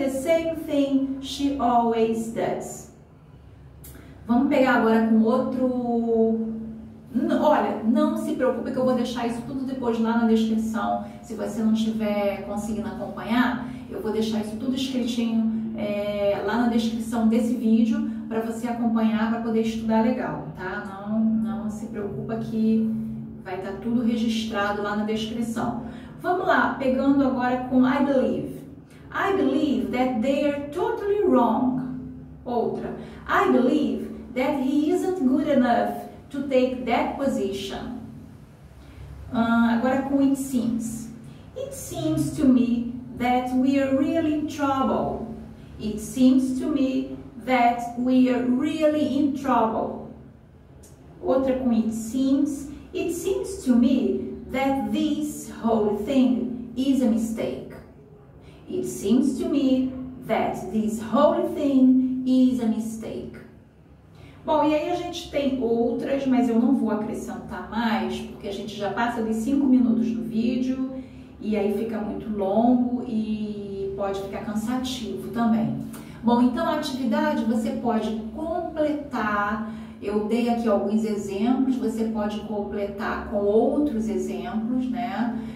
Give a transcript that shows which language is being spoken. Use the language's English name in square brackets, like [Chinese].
[English] The way I see it, she is not going to achieve her goals doing the same thing she always does. [Portuguese] Vamos pegar agora com outro. Olha, não se preocupe que eu vou deixar isso tudo depois lá na descrição. Se você não estiver conseguindo acompanhar, eu vou deixar isso tudo escritinho lá na descrição desse vídeo para você acompanhar, para poder estudar legal, tá? Não se preocupa que vai estar tudo registrado lá na descrição. Vamos lá, pegando agora com [English] I believe. I believe that they are totally wrong. [Portuguese] Outra. [English] I believe that he isn't good enough to take that position. [Portuguese] Agora com [English] it seems. It seems to me that we are really in trouble. It seems to me that we are really in trouble. [Portuguese] Outra com [English] it seems to me that this whole thing is a mistake. It seems to me that this whole thing is a mistake. [Portuguese] Bom, e aí a gente tem outras, mas eu não vou acrescentar mais, porque a gente já passa de 5 minutos no vídeo, e aí fica muito longo e pode ficar cansativo também. Bom, então a atividade você pode completar, eu dei aqui alguns exemplos, você pode completar com outros exemplos, né?